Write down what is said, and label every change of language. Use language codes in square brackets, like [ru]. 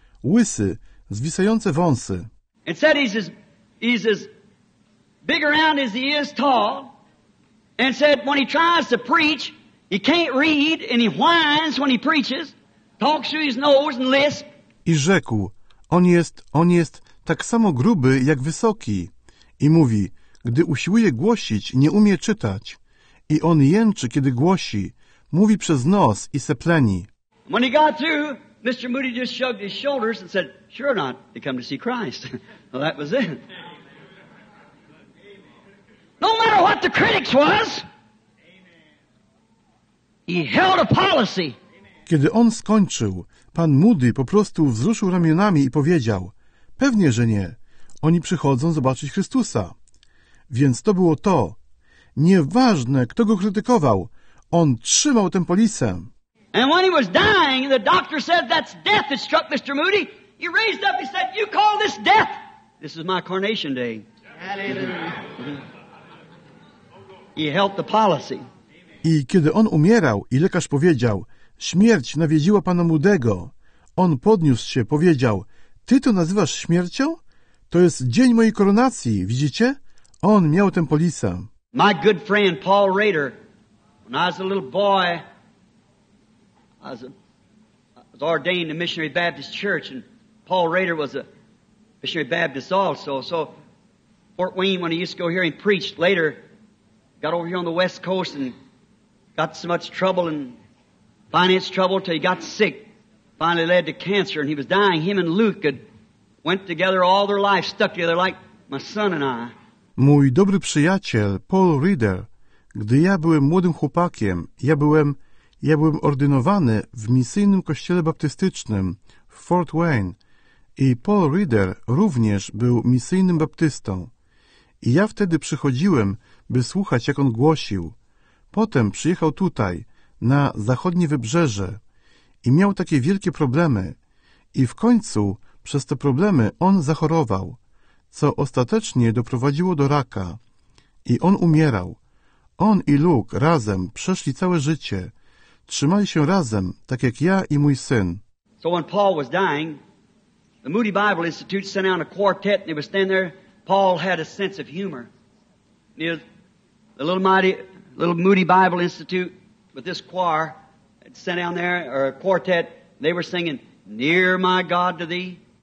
[pl] Łysy, zwisające wąsy. [en] And said he's as big around as he is tall. And said when he tries to preach, he can't read and he whines when he preaches. Talks through his nose and lisp. [pl] I rzekł, on jest tak samo gruby jak wysoki. I mówi, gdy usiłuje głosić, nie umie czytać. I on jęczy, kiedy głosi, mówi przez nos i sepleni. [en] When he got through, Mr. Moody just shrugged his shoulders and said, sure not, they come to see Christ. Well, that was it. No matter what the critics was, he held a policy. [pl] Kiedy on skończył, pan Moody po prostu wzruszył ramionami i powiedział, pewnie, że nie, oni przychodzą zobaczyć Chrystusa. Więc to było to. Nieważne, kto go krytykował, on trzymał tę polisę. [en] And when he was dying, the doctor said, that's death that struck Mr. Moody. He raised up, he said, you call this death? This is my coronation day. Hallelujah. He helped the policy. [pl] I kiedy on umierał i lekarz powiedział, śmierć nawiedziła pana Moody'ego. On podniósł się, powiedział, ty to nazywasz śmiercią? To jest dzień mojej koronacji, widzicie? On miał tę polisę. [en] My good friend Paul Rader, when I was a little boy, I was ordained a missionary Baptist church, and Paul Rader was a missionary Baptist also. So Fort Wayne, when he used to go here and preach, later got over here on the West Coast and got so much trouble and finance trouble till he got sick, finally led to cancer, and he was dying. Him and Luke had went together all their life, stuck together like my son and I. [pl] Mój dobry przyjaciel, Paul Rader, gdy ja byłem młodym chłopakiem, ja byłem ordynowany w misyjnym kościele baptystycznym w Fort Wayne i Paul Rader również był misyjnym baptystą. I ja wtedy przychodziłem, by słuchać, jak on głosił. Potem przyjechał tutaj, na zachodnie wybrzeże i miał takie wielkie problemy. I w końcu przez te problemy on zachorował, co ostatecznie doprowadziło do raka. I on umierał. On i Luke razem przeszli całe życie. Trzymali się razem, tak jak ja i mój syn. [en] So when Paul was dying, the Moody Bible Institute sent out a quartet, and they were standing there. Paul had a sense of humor. The little Moody Bible Institute with this choir had sent down there, or a quartet, they were singing, Near my God to thee.